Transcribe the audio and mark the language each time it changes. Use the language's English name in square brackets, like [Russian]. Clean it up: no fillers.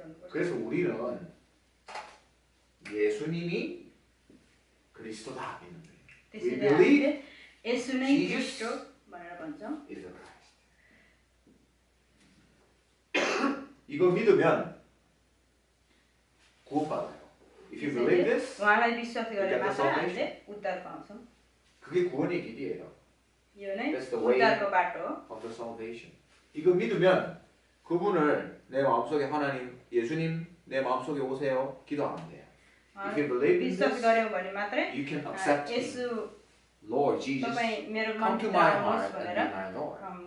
[Korean] 그래서 우리는 예수님이 그리스도다 믿는 거예요. [English] We believe Jesus is the Christ. [Korean] 이거 믿으면 구원받아요. [English] If you believe this, you get the salvation. [Korean] 그게 구원의 길이에요. [English] That's the way of the salvation. [Korean] 이거 믿으면 그분을 내 마음속에 하나님, 예수님 내 마음속에 오세요. 기도하면 돼요. [English] If you believe in this, you can accept me. Lord Jesus, come to my heart and be my Lord.